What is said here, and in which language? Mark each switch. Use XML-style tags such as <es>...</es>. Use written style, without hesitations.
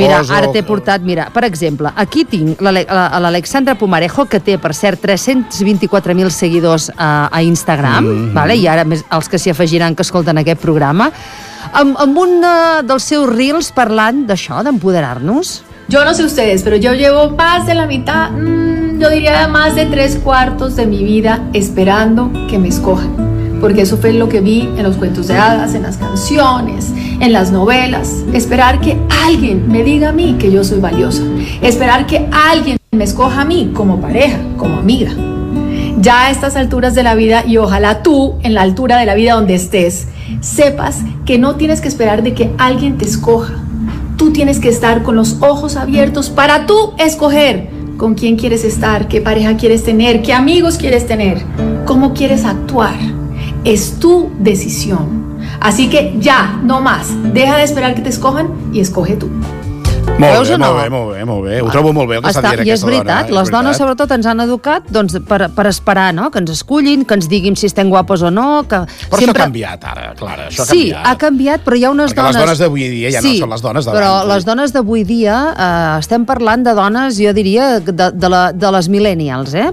<ca>Mira, ara t'he portat, mira, per exemple, aquí tinc l'Alexandra Pumarejo, que té, per cert, 324.000 seguidors a Instagram, vale? I ara més els que s'hi afegiran que escolten aquest programa, amb un dels seus reels parlant d'això, d'empoderar-nos.</ca> <es>Yo no sé ustedes, pero yo llevo más de la mitad, yo diría más de tres cuartos de mi vida esperando que me escojan. Porque eso fue lo que vi en los cuentos de hadas, en las canciones, en las novelas. Esperar que alguien me diga a mí que yo soy valiosa. Esperar que alguien me escoja a mí como pareja, como amiga. Ya a estas alturas de la vida, y ojalá tú, en la altura de la vida donde estés, sepas que no tienes que esperar de que alguien te escoja. Tú tienes que estar con los ojos abiertos para tú escoger con quién quieres estar, qué pareja quieres tener, qué amigos quieres tener, cómo quieres actuar. Es tu decisión. Así que ya, no más. Deja de esperar que te escojan y escoge tú.</es> <ca>Molt bé. Ho trobo molt bé el que està dient. I és veritat, les dones sobretot ens han educat doncs, per esperar, no?, que ens escollin, que ens diguin si estem guapos o no. Que però sempre... això ha canviat ara, Clara. Això sí, ha canviat, però hi ha unes dones... Perquè les dones d'avui dia ja sí, no són les dones d'abans. Però les dones d'avui dia estem parlant de dones, jo diria, de les millennials, eh?</ca>